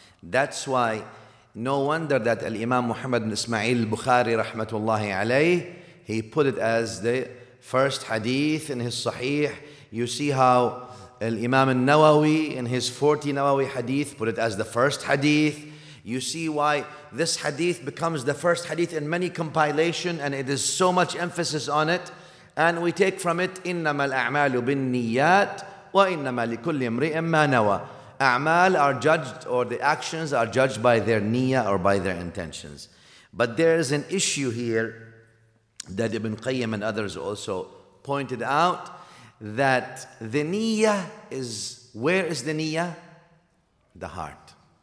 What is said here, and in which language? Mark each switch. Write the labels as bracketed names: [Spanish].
[English] That's why no wonder that Al-Imam Muhammad bin Ismail Bukhari rahmatullahi alayh, he put it as the first hadith in his sahih. You see how Al-Imam al-Nawawi in his 40 Nawawi hadith put it as the first hadith. You see why this hadith becomes the first hadith in many compilation, and it is so much emphasis on it. And we take from it, [Arabic] إِنَّمَا الْأَعْمَالُ بِالنِّيَّاتِ وَإِنَّمَا لِكُلِّ امْرِئٍ مَّا نَوَى. [English] A'mal are judged, or the actions are judged, by their niyyah or by their intentions. But there is an issue here that Ibn Qayyim and others also pointed out, that the niyyah is, where is the niyyah? The heart.